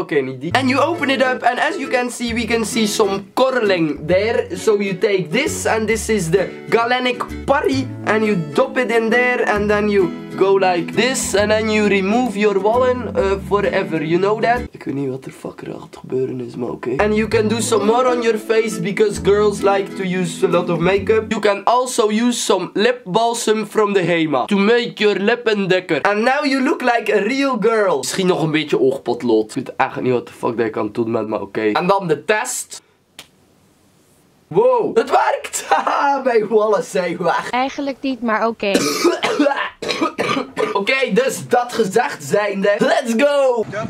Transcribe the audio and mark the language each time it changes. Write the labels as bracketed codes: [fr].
[nl] Oké, niet die. [en] And you open it up and as you can see some korreling there. So you take this and this is the galenic parry and you dop it in there and then you go like this and then you remove your wallen forever, you know that? [nl] Ik weet niet wat er fuck er gaat gebeuren is, maar oké. [en] And you can do some more on your face because girls like to use a lot of makeup. You can also use some lip balsam from the Hema to make your [nl] lippen dikker. [en] And now you look like a real girl. [nl] Misschien nog een beetje oogpotlood. Ik weet echt niet wat de fuck dat ik aan het doen met, maar oké. En dan de test. Wow, het werkt! Haha, mijn wallen zijn weg. Eigenlijk niet, maar oké. Oké, dus dat gezegd zijnde, [en] let's go!